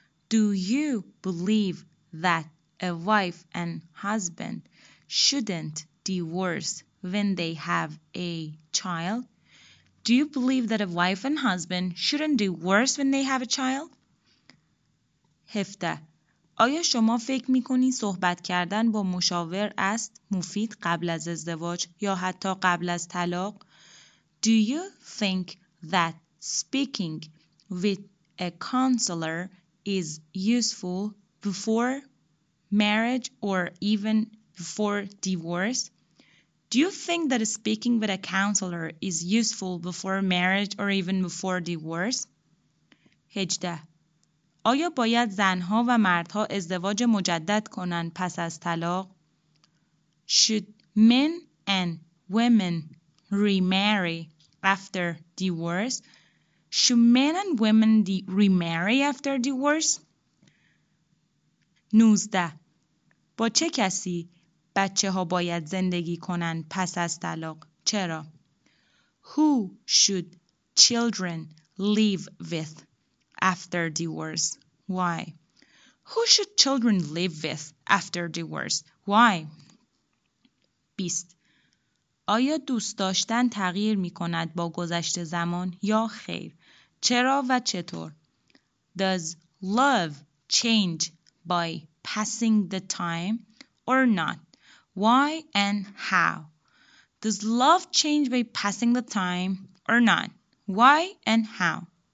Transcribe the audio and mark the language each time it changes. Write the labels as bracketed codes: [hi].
[en] Do you believe that a wife and husband shouldn't divorce when they have a child? Do you believe that a wife and husband shouldn't divorce when they have a child? 17. [fa] آیا شما فکر می‌کنی صحبت کردن با مشاور است مفید قبل از ازدواج یا حتی قبل از طلاق؟ [en] Do you think that speaking with a counselor is useful before marriage or even before divorce? Do you think that speaking with a counselor is useful before marriage or even before divorce? 18. [fa] آیا باید زنها و مردها ازدواج مجدد کنند پس از طلاق؟ [en] Should men and women remarry after divorce? Should men and women remarry after divorce? 19. [fa] با چه کسی بچه ها باید زندگی کنند پس از طلاق؟ چرا؟ [en] Who should children live with after divorce? Why? Who should children live with after divorce? Why? 20. [fa] آیا دوست داشتن تغییر می کند با گذشت زمان یا خیر؟ چرا و چطور؟ [en] Does love change by passing the time or not? Why and how? Does love change by passing the time or not? Why and how? 21.